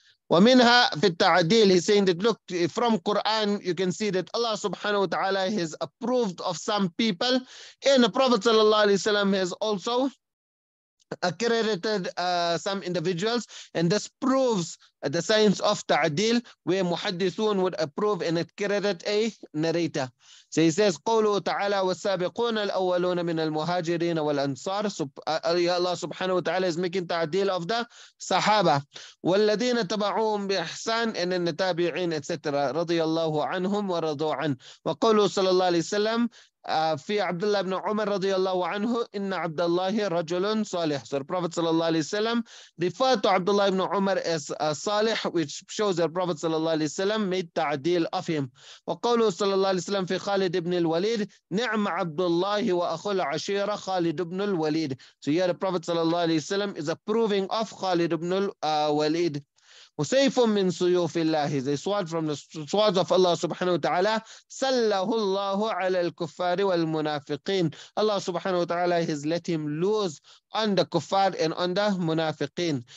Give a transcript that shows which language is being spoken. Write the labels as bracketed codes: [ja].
[ar] ومنها في التعديل, [en] he's saying that look, from Quran you can see that Allah subhanahu wa ta'ala has approved of some people, and the Prophet sallallahu alaihi wasallam has also accredited some individuals, and this proves the science of ta'dil, where muhaddithun would approve and accredit a narrator. So he says, [ar] قوله تعالى والسابقون الأولون من المهاجرين والأنصار. [en] Allah subhanahu wa ta'ala is making ta'dil of the sahaba. [ar] والذين تبعوهم بإحسان [en] and then the tabi'in, etc. [ar] رضي الله عنهم ورضوا عن. وقوله صلى الله عليه وسلم في عبد الله بن عمر رضي الله عنه إن عبد الله رجل صالح. [en] So the Prophet صلى الله عليه وسلم referred to عبد الله بن عمر as صالح, which shows the Prophet صلى الله عليه وسلم made تعديل of him. [ar] وقوله صلى الله عليه وسلم في خالد بن الوليد نعم عبد الله وأخو العشيرة خالد بن الوليد. [en] So here the Prophet صلى الله عليه وسلم is approving of خالد بن الوليد. [ar] وسيف من سيوف الله, [en] is a sword from the swords of Allah subhanahu wa ta'ala. [ar] سله الله على الكفار والمنافقين. [en] Allah subhanahu wa ta'ala has let him lose on the kuffar and on the munafiqeen.